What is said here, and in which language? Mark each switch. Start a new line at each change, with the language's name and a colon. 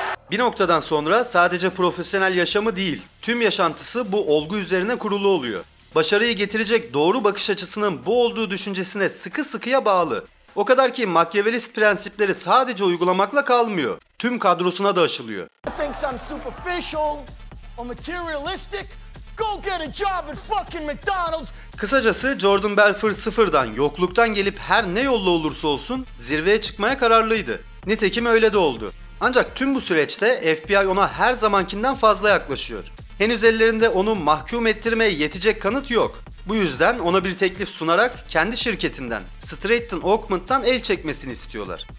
Turkish: Bir noktadan sonra sadece profesyonel yaşamı değil, tüm yaşantısı bu olgu üzerine kurulu oluyor. Başarıyı getirecek doğru bakış açısının bu olduğu düşüncesine sıkı sıkıya bağlı. O kadar ki Machiavellist prensipleri sadece uygulamakla kalmıyor. Tüm kadrosuna da aşılıyor.
English: I think I'm superficial or materialistic. Go get a job at fucking McDonald's.
Turkish: Kısacası Jordan Belfort sıfırdan, yokluktan gelip her ne yolla olursa olsun zirveye çıkmaya kararlıydı. Nitekim öyle de oldu. Ancak tüm bu süreçte FBI ona her zamankinden fazla yaklaşıyor. Henüz ellerinde onu mahkum ettirmeye yetecek kanıt yok. Bu yüzden ona bir teklif sunarak kendi şirketinden, Stratton Oakmont'tan el çekmesini istiyorlar.